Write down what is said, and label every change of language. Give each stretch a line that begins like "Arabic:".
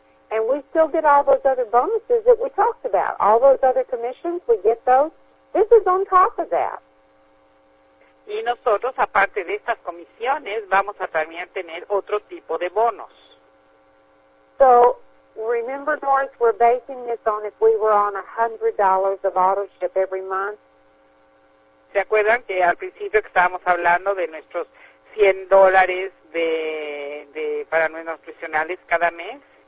English: And we still get all those other bonuses that we talked about. All those other commissions, we get those. This is on top of that.
Spanish: Y nosotros, aparte de estas comisiones, vamos a también tener otro tipo de bonos.
English: So, remember, Doris, we're basing this on if we were on $100 of autoship every month.
Spanish: ¿Se acuerdan que al principio que estábamos hablando de nuestros $100 de para nuestros profesionales cada mes?